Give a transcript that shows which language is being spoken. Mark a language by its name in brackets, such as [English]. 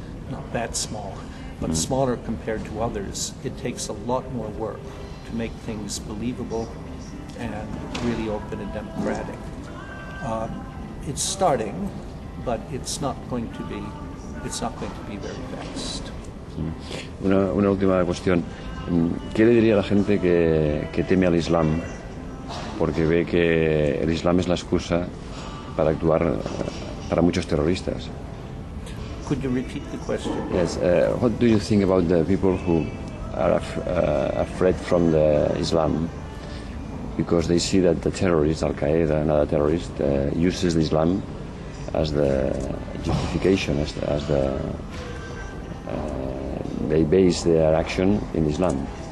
[English] Not that small, but smaller compared to others. It takes a lot more work to make things believable and really open and democratic. It's starting, but it's not going to be very fast. [Spanish] Una última cuestión. ¿Qué le diría a la gente que teme al Islam? Porque ve que el Islam es la excusa para actuar para muchos terroristas. [English] Could you repeat the question? Yes. What do you think about the people who are afraid from the Islam? Because they see that the terrorist, Al-Qaeda, another terrorist, uses the Islam as the justification, they base their action in Islam.